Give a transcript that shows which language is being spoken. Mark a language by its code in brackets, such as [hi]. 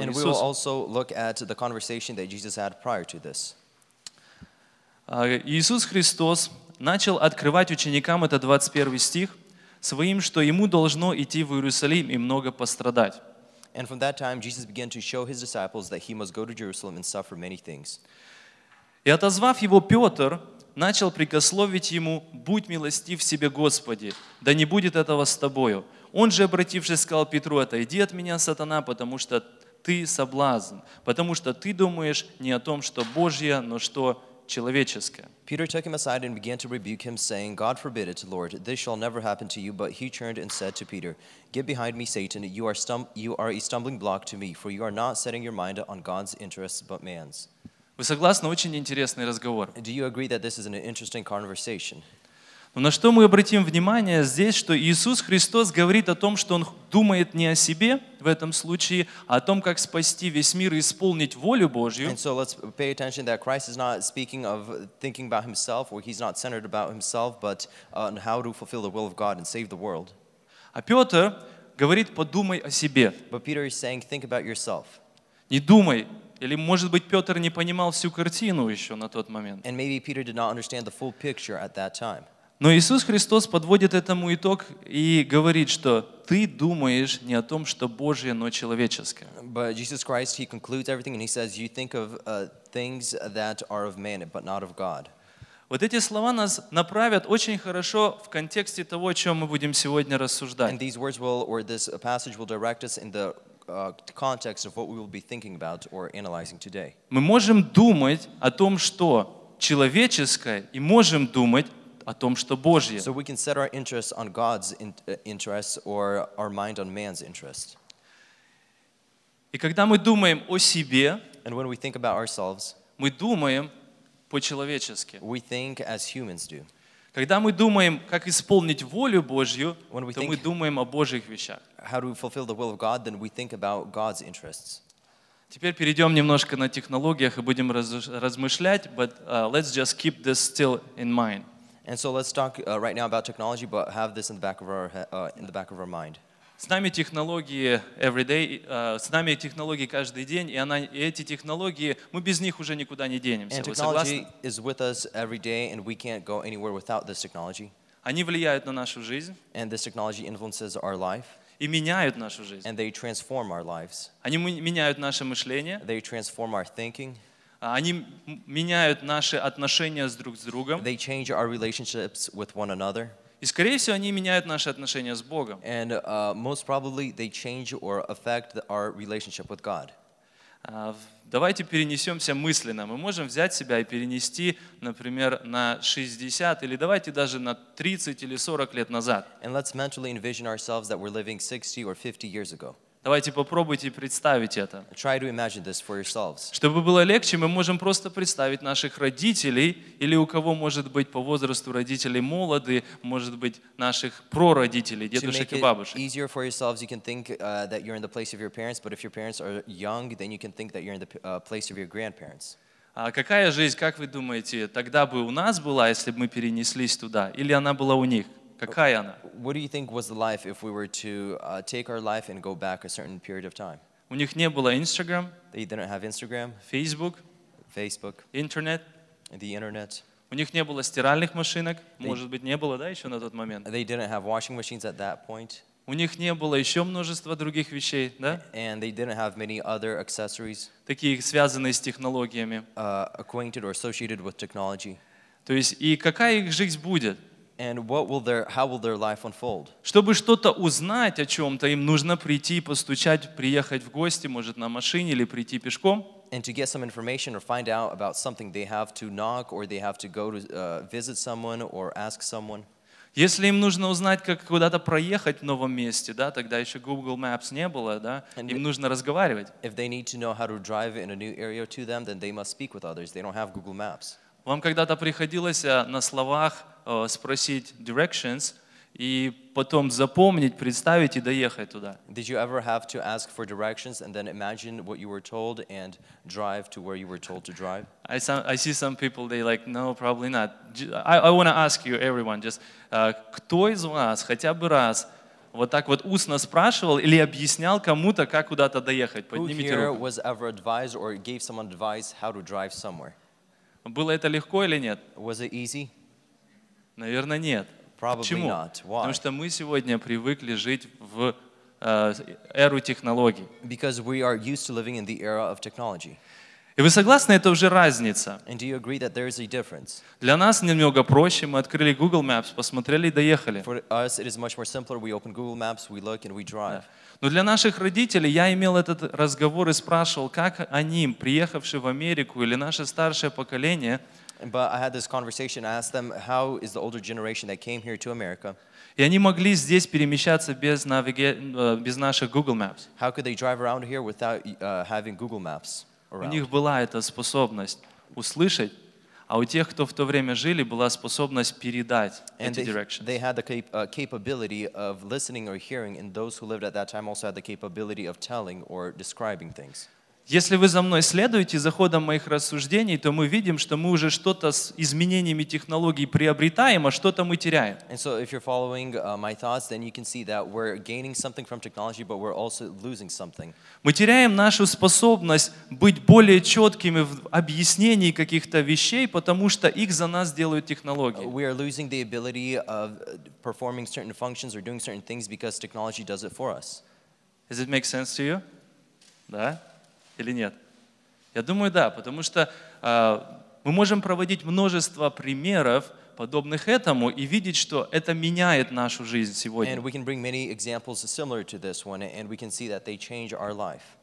[en] And [ru] Иисус. [en] And we will also look at the conversation that Jesus had prior to this. [ru] Иисус Христос начал открывать ученикам, это 21 стих, своим, что ему должно идти в Иерусалим и много пострадать. [en] And from that time, Jesus began to show his disciples that he must go to Jerusalem and suffer many things. [ru] И отозвав его, Петр начал прикословить ему, «Будь милостив себе, Господи, да не будет этого с тобою». Он же, обратившись, сказал Петру, «Отойди от меня, сатана, потому что ты соблазн, потому что ты думаешь не о том, что Божье, но что человеческое». [en] Peter took him aside and began to rebuke him, saying, God forbid it, Lord, this shall never happen to you. But he turned and said to Peter, Get behind me, Satan, you are a stumbling block to me, for you are not setting your mind on God's interests, but man's. [ru] Вы согласны? Очень интересный разговор. [en] Do you agree that this is an interesting conversation? [ru] Но на что мы обратим внимание здесь, что Иисус Христос говорит о том, что Он думает не о себе в этом случае, а о том, как спасти весь мир и исполнить волю Божью. [en] And so let's pay attention that Christ is not speaking of thinking about himself, or he's not centered about himself, but on how to fulfill the will of God and save the world. [ru] А Петр говорит, подумай о себе. [en] But Peter is saying, think about yourself. [ru] Не думай. Или, может быть, Петр не понимал всю картину еще на тот момент. [en] And maybe Peter did not understand the full picture at that time. [ru] Но Иисус Христос подводит этому итог и говорит, что ты думаешь не о том, что Божье, но человеческое. [en] But Jesus Christ, he concludes everything and he says, you think of things that are of man, but not of God. [ru] Вот эти слова нас направят очень хорошо в контексте того, о чем мы будем сегодня рассуждать. [en] And these words will, or this passage will direct us in the context of what we will be thinking about or analyzing today. [ru] Мы можем думать о том, что человеческое, и можем думать о том, что Божье. [en] So we can set our interests on God's interests or our mind on man's interest. [ru] И когда мы думаем о себе, [en] and when we think about ourselves, [ru] мы думаем по-человечески. [en] We think as humans do. [ru] Когда мы думаем, как исполнить волю Божью, то мы думаем о Божьих вещах. [en] How do we fulfill the will of God, then we think about God's interests. [ru] Теперь перейдем немножко на технологиях и будем размышлять, [en] but let's just keep this still in mind. And so let's talk right now about technology, but have this in the back of our mind. [ru] С нами технологии [en] every day, [ru] с нами технологии каждый день, и эти технологии, мы без них уже никуда не денемся. [en] And technology is with us every day, and we can't go anywhere without this technology. [ru] Они влияют на нашу жизнь. [en] And this technology influences our life. [ru] И меняют нашу жизнь. [en] And they transform our lives. [ru] Они меняют наше мышление. [en] They transform our thinking. [ru] Они меняют наши отношения с друг с другом. [en] They change our relationships with one another. [ru] И, скорее всего, они меняют наши отношения с Богом. [en] And most probably they change or affect our relationship with God. [ru] Давайте перенесемся мысленно. Мы можем взять себя и перенести, например, на 60 или давайте даже на 30 или 40 лет назад. [en] And let's mentally envision ourselves that we're living 60 or 50 years ago. [ru] Давайте попробуйте представить это. [en] Try to imagine this for yourselves. [ru] Чтобы было легче, мы можем просто представить наших родителей или у кого, может быть, по возрасту родителей молоды, может быть, наших прародителей, дедушек и бабушек. [en] Easier for yourselves, you can think that you're in the place of your parents, but if your parents are young, then you can think that you're in the place of your grandparents. [ru] А какая жизнь, как вы думаете, тогда бы у нас была, если бы мы перенеслись туда, или она была у них? Какая она? [en] What do you think was the life if we were to take our life and go back a certain period of time? [ru] У них не было Instagram. [en] They didn't have Instagram. Facebook. Facebook. Internet. The internet. [ru] У них не было стиральных машинок. Может быть, не было, да, еще на тот момент. [en] They didn't have washing machines at that point. [ru] У них не было еще множества других вещей, да? [en] And they didn't have many other accessories. [ru] Такие, связанные с технологиями. [en] Acquainted or associated with technology. [ru] То есть, и какая их жизнь будет? [en] And what will their, how will their life unfold? [ru] Чтобы что-то узнать о чем-то, им нужно прийти, постучать, приехать в гости, может, на машине или прийти пешком. [en] And to get some information or find out about something, they have to knock or they have to go to visit someone or ask someone. [ru] Если им нужно узнать, как куда-то проехать в новом месте, да, тогда еще Google Maps не было, да, and им нужно разговаривать. [en] If they need to know how to drive in a new area to them, then they must speak with others. They don't have Google Maps. [ru] Вам когда-то приходилось на словах спросить directions, и потом запомнить, представить и доехать туда. [en] Did you ever have to ask for directions and then imagine what you were told and drive to where you were told to drive? I see some people, they like, no, probably not. I want to ask you, everyone, just [ru] кто из вас хотя бы раз вот так вот устно спрашивал или объяснял кому-то, как куда-то доехать? Поднимите руку. [en] Who here was ever advised or gave someone advice how to drive somewhere? [ru] Было это легко или нет? [en] Was it easy? [ru] Наверное, нет. [en] Probably [ru] Почему? [en] Not. Why? [ru] Потому что мы сегодня привыкли жить в эру технологий. [en] Because we are used to living in the era of technology. [ru] И вы согласны, это уже разница? [en] And do you agree that there is a difference? [ru] Для нас немного проще. Мы открыли Google Maps, посмотрели и доехали. [en] For us it is much more simpler. We open Google Maps, we look and we drive. Yeah. [ru] Но для наших родителей я имел этот разговор и спрашивал, как они, приехавшие в Америку, или наше старшее поколение. [en] But I had this conversation, I asked them, how is the older generation that came here to America? [ru] И они могли здесь перемещаться без без наших Google Maps. [en] How could they drive around here without having Google Maps around? [ru] У них была эта способность услышать, а у тех, кто в то время жили, была способность передать [en] and [ru] эти directions. [en] They had the capability of listening or hearing, and those who lived at that time also had the capability of telling or describing things. [ru] Если вы за мной следуете, за ходом моих рассуждений, то мы видим, что мы уже что-то с изменениями технологий приобретаем, а что-то мы теряем. [en] And so if you're following my thoughts, then you can see that we're gaining something from technology, but we're also losing something. [ru] Мы теряем нашу способность быть более четкими в объяснении каких-то вещей, потому что их за нас делают технологии. [en] We are losing the ability of performing certain functions or doing certain things because technology does it for us. Does it make sense to you? [ru] Да? Или нет? Я думаю, да, потому что мы можем проводить множество примеров, подобных этому, и видеть, что это меняет нашу жизнь сегодня. [en] And we can bring many examples similar to this one, and we can see that they change our life.